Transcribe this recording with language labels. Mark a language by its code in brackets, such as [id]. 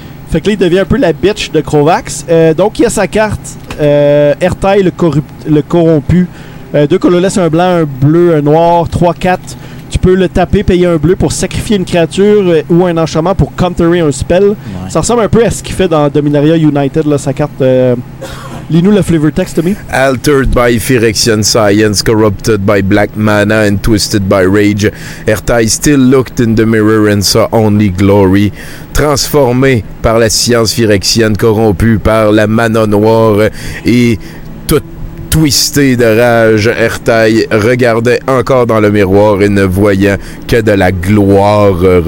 [fr] Fait que là, il devient un peu la bitch de Krovax. Donc, il y a sa carte Ertai, le corrompu. Deux colorless, un blanc, un bleu, un noir, 3-4. Tu peux le taper, payer un bleu pour sacrifier une créature ou un enchantement pour counterer un spell. Ouais. Ça ressemble un peu à ce qu'il fait dans Dominaria United, là, sa carte. Lis-nous le flavor text, Tommy. [en] Altered by Phyrexian science, corrupted by black mana and twisted by rage, Ertai still looked in the mirror and saw only glory. [fr] Transformé par la science phyrexienne, corrompu par la mana noire et toute twisté de rage, Ertai regardait encore dans le miroir et ne voyait que de la gloire.